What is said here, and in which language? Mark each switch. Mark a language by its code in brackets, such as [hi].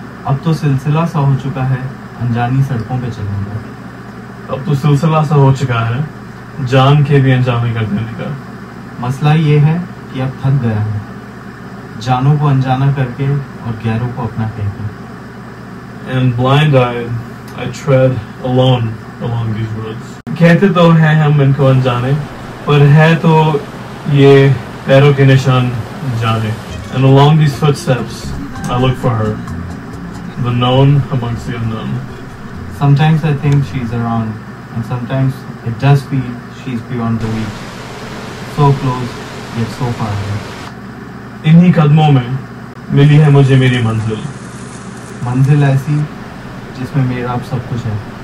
[hi] अब तो सिलसिला सा हो चुका है. अनजानी सड़कों पे चलूँगा. अब तो सिलसिला सा हो चुका है. जान के भी अनजाने कर देने का. मसला ये है कि अब थक गया हूँ. जानों को अनजाना करके और गैरों को अपना कहकर. [en] And blind eyed, I tread alone along these roads. [hi] कहते तो हैं हम इनको अनजाने, पर है तो ये पैरों के निशान जाने. [en] And along these footsteps, I look for her, the known amongst the unknown. Sometimes I think she's around, and sometimes it does feel she's beyond the reach. So close, yet so far away. [hi] इन्हीं कदमों में मिली है मुझे मेरी मंजिल. मंजिल ऐसी जिसमें मेरा अब सब कुछ है.